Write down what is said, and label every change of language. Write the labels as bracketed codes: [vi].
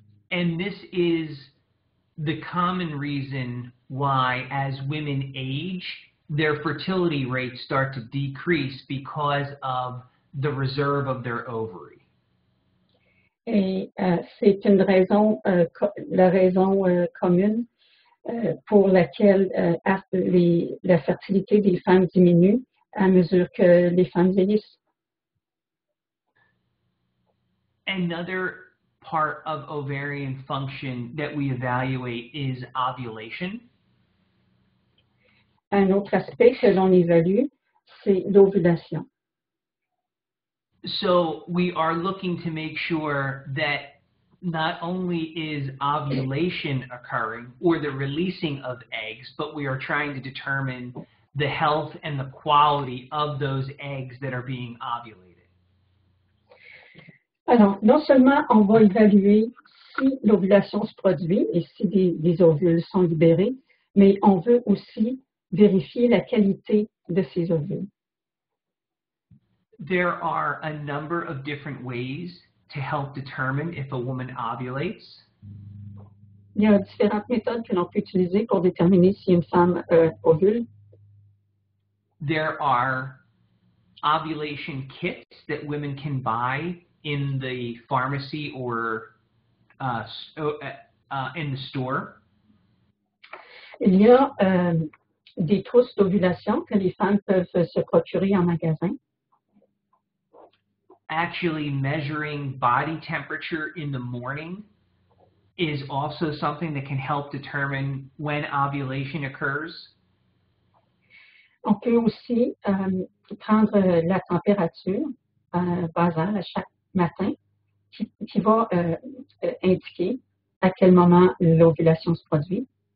[en] And this is the common reason why, as women age, their fertility rates start to decrease because of the reserve of their ovary. [fr] Et c'est une raison, la raison commune pour laquelle la fertilité des femmes diminue à mesure que les femmes vieillissent. [en] Another part of ovarian function that we evaluate is ovulation. [fr] Un autre aspect que l'on évalue, c'est l'ovulation. [en] So we are looking to make sure that not only is ovulation occurring or the releasing of eggs, but we are trying to determine the health and the quality of those eggs that are being ovulated. [fr] Alors, non seulement on va évaluer si l'ovulation se produit et si des ovules sont libérés, mais on veut aussi vérifier la qualité de ces ovules. [en] There are a number of different ways to help determine if a woman ovulates. [fr] Il y a différentes méthodes que l'on peut utiliser pour déterminer si une femme ovule. [en] There are ovulation kits that women can buy in the pharmacy or in the store. [fr] Il y a des trousses d'ovulation que les femmes peuvent se procurer en magasin. [en] Actually, measuring body temperature in the morning is also something that can help determine when ovulation occurs. [fr] On peut aussi prendre la température basale chaque matin qui va indiquer à quel moment l'ovulation se produit.